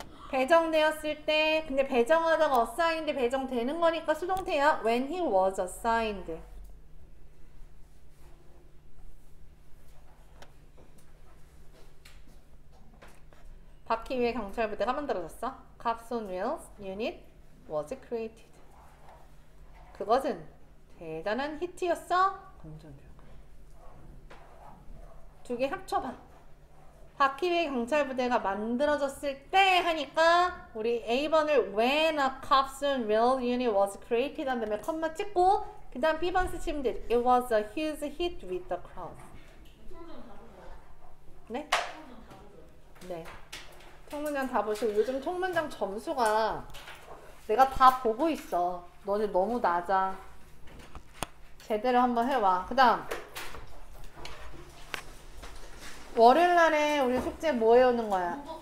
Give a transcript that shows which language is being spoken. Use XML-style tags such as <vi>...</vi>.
<ko>배정되었을 때 근데 배정하다가 assigned 배정되는 거니까 수동태야.</ko> <en>when he was assigned.</en> <ko>바퀴 위에 경찰 부대가 만들어졌어.</ko> <en>Cops on wheels unit was created.</en> <ko>그것은 대단한 히트였어. 공전력. 두 개 합쳐봐. 바퀴 위에 경찰 부대가 만들어졌을 때 하니까 우리 A번을</ko> <en>when a cops on wheels unit was created</en> <ko>한 다음에 콤마 찍고 그 다음 B번 쓰시면 돼.</ko> <en>It was a huge hit with the crowd.</en> <ko>네? 네. 청문장 다 보시고 요즘 청문장 점수가 내가 다 보고 있어. 너네 너무 낮아. 제대로 한번 해봐. 그 다음 월요일날에 우리 숙제 뭐 해오는 거야?</ko>